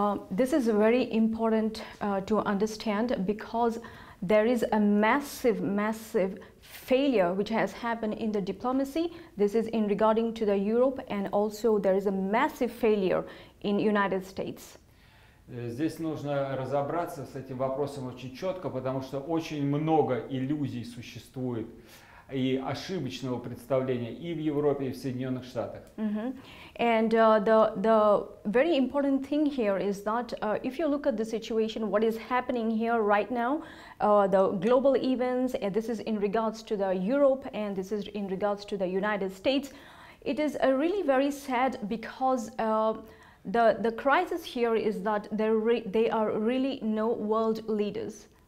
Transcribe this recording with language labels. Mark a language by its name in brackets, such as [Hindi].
[English] This is very important to understand, because there is a massive failure which has happened in the diplomacy. This is in regarding to the Europe, and also there is a massive failure in United States. [Russian] Здесь нужно разобраться с этим вопросом очень четко, потому что очень много иллюзий существует и ошибочного представления и в Европе, и в Соединенных Штатах. [English] And the very important thing here is that if you look at the situation, what is happening here right now, the global events, and this is in regards to the Europe, and this is in regards to the United States, it is really very sad, because the crisis here is that they are really no world leaders.